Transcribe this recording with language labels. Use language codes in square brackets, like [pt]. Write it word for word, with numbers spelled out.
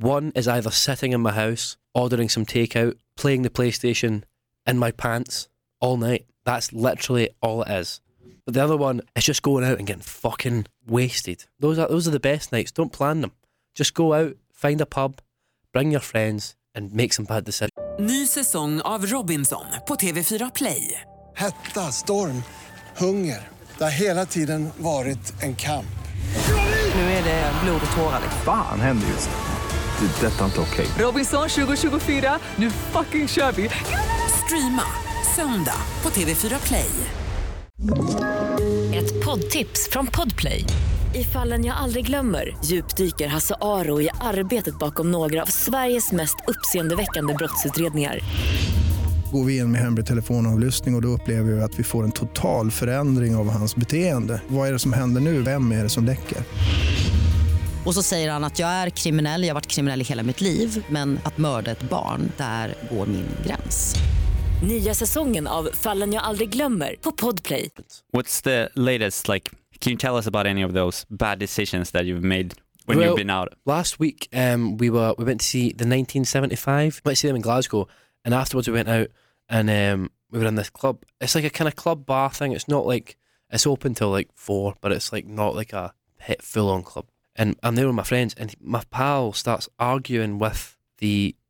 [en] One is either sitting in my house, ordering some takeout, playing the PlayStation in my pants all night. That's literally all it is. But the other one is just going out and getting fucking wasted. Those are those are the best nights. Don't plan them. Just go out, find a pub, bring your friends and make some bad decisions. [sv] Ny säsong av Robinson på T V fyra Play. Hetta, storm, hunger. Det har hela tiden varit en kamp. Nu är det blod och tårar. Fan händer just det. Det är detta inte okej. Robinson tjugo tjugofyra, nu fucking kör vi. Streama söndag på T V fyra Play. Ett poddtips från Podplay. I Fallen jag aldrig glömmer djupdyker Hasse Aro i arbetet bakom några av Sveriges mest uppseendeväckande brottsutredningar. Går vi in med hemlig telefonavlyssning och, och då upplever vi att vi får en total förändring av hans beteende. Vad är det som händer nu? Vem är det som läcker? Och så säger han att jag är kriminell, jag har varit kriminell i hela mitt liv. Men att mörda ett barn, där går min gräns. Nya säsongen av Fallen jag aldrig glömmer på Podplay. [en] What's the latest, like, can you tell us about any of those bad decisions that you've made when well, you've been out? Last week um, we were we went to see the nineteen seventy-five. We went to see them in Glasgow, and afterwards we went out and um, we were in this club. It's like a kind of club bar thing. It's not like, it's open till like four, but it's like not like a hit full on club. And I'm there with my friends, and my pal starts arguing with the